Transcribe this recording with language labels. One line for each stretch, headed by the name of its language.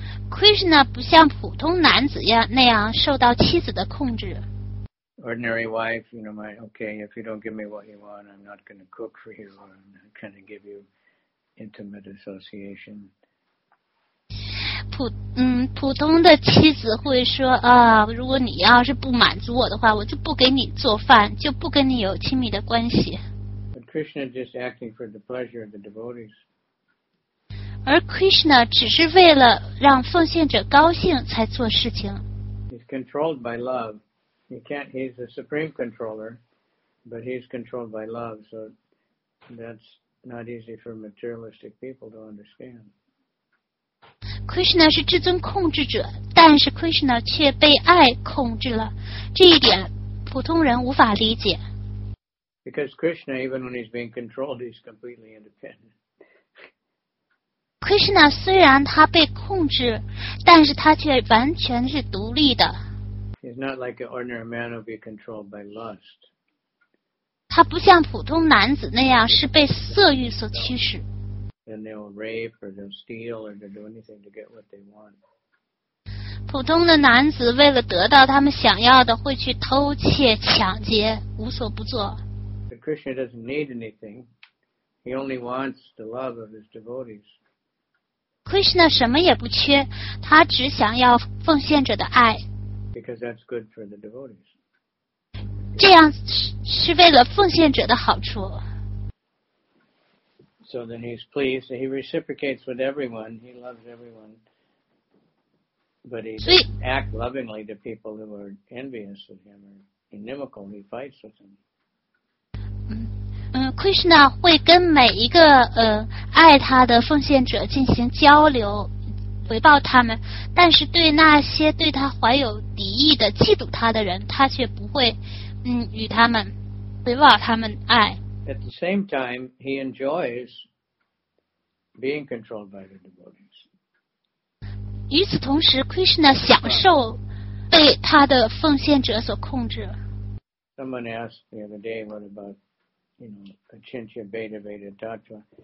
Chinese: Krishna 不像普通男子那样受到妻子的控制。
English: Ordinary wife, you know, okay, if you don't give me what you want, I'm not going to cook for you. I'm not going to give you intimate association.
Chinese: 普通的妻子会说啊，如果你要是不满足我的话，我就不给你做饭，就不跟你有亲密的关系。
English: But Krishna just acting for the pleasure of the devotees.
Chinese: 而 Krishna 只是为了让奉献者高兴才做事情。
English: He's controlled by love. He's the supreme controller, but he's controlled by love. So that's not easy for materialistic people to understand.
Chinese: Krishna 是至尊控制者，但是 Krishna 却被爱控制了，这一点普通人无法理解。
English: Because Krishna, even when he's being controlled, he's completely independent.
Chinese: Krishna 虽然他被控制，但是他却完全是独立的。
English: He's not like an ordinary man who'll be controlled by lust.
Chinese: 他不像普通男子那样是被色欲所驱使。
English: And they'll rape or they'll steal or they'll do anything to get what they want.
Chinese: 普通的男子为了得到他们想要的，会去偷窃、抢劫，无所不做。
English: But Krishna doesn't need anything. He only wants the love of his devotees.
Chinese: Krishna 什么也不缺，他只想要奉献者的爱。
English: Because that's good for the devotees.
Chinese: 这样是为了奉献者的好处。
English: So then he's pleased. He reciprocates with everyone. He loves everyone. But he doesn't act lovingly to people who are envious of him or inimical. He fights with them.
Chinese: Krishna 会跟每一个爱他的奉献者进行交流，回报他们。但是对那些对他怀有敌意的、嫉妒他的人，他却不会与他们回报他们爱。
English: At the same time, he enjoys being controlled by the devotees.
Chinese: 与此同时 ，Krishna 享受被他的奉献者所控制。
English: Someone asked the other day, what about, you know, Achintya, Beda, Beda, Tatva.